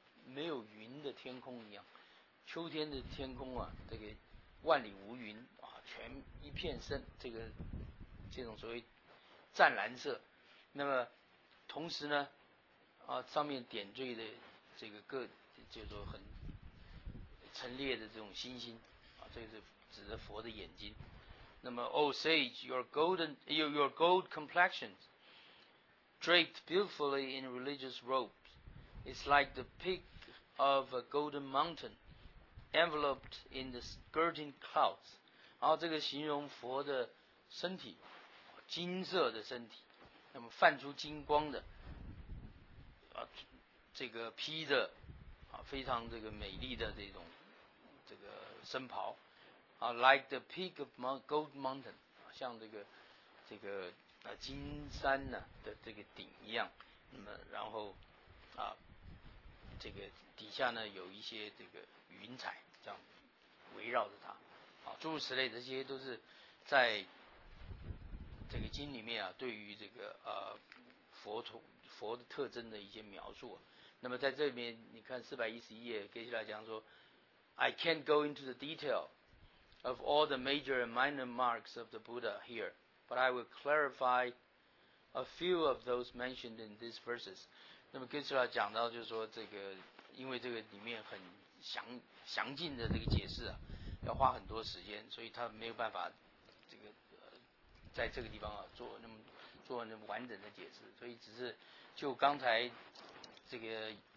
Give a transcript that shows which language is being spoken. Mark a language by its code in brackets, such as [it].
[zh] 没有云的天空一样，秋天的天空啊，这个万里无云啊，全一片深，这种所谓湛蓝色。那么同时呢，啊，上面点缀的这个各就是说很陈列的这种星星啊，这个是指着佛的眼睛。 [en] 那么 ，Oh sage, your gold complexion draped beautifully in religious robes, it's like the peak. of a golden mountain enveloped in the skirting clouds. [zh] 然后这个形容佛的身体，金色的身体，那么泛出金光的、啊、这个披着、啊、非常这个美丽的这种这个僧袍、啊、 [en] like the peak of gold mountain、 [zh] 啊、像这个、啊、金山、啊、的这个顶一样。那么然后啊这个底下呢有一些这个云彩这样围绕着它，好，诸如此类，这些都是在这个经里面啊，对于这个佛的特征的一些描述、啊。那么在这里面，你看411页，接下来讲说 [en] ，I can't go into the detail of all the major and minor marks of the Buddha here, but I will clarify a few of those mentioned in these verses. [zh] 那么 Gisela 讲到就是说这个因为这个里面很详尽的这个解释啊，要花很多时间，所以他没有办法这个、在这个地方啊做那么完整的解释，所以只是就刚才这个